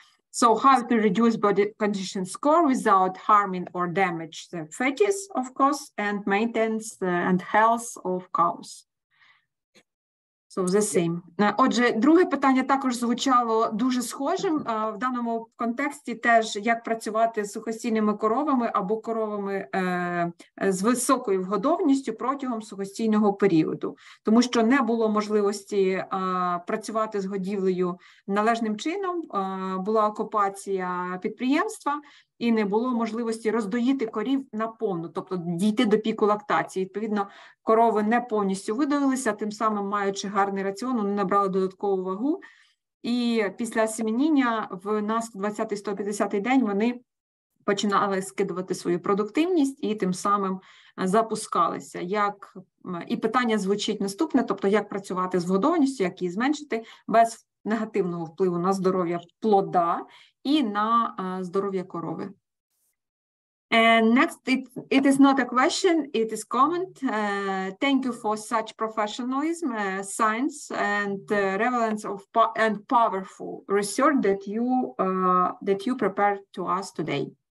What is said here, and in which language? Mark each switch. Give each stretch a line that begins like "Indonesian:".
English: So how to reduce body condition score without harming or damage the fetus, of course, and maintenance and health of cows. So the same.
Ukrainian: Отже, друге питання також звучало дуже схожим. В даному контексті теж, як працювати з сухостійними коровами або коровами з високою вгодовністю протягом сухостійного періоду. Тому що не було можливості працювати з годівлею належним чином, була окупація підприємства, і не було можливості роздоїти корів наповну, тобто дійти до піку лактації. Відповідно, корови не повністю видоїлися, тим самим, маючи гарний раціон, вони набрали додаткову вагу. І після семеніння в нас 20-150 день вони починали скидувати свою продуктивність і тим самим запускалися. Як і питання звучить наступне, тобто як працювати з вгодовністю, як її зменшити без негативного впливу на здоров'я плода і на здоров'я корови.
English: And next, it is not a question, it is comment. Thank you for such professionalism, science, and relevance of and powerful research that you prepared to us today.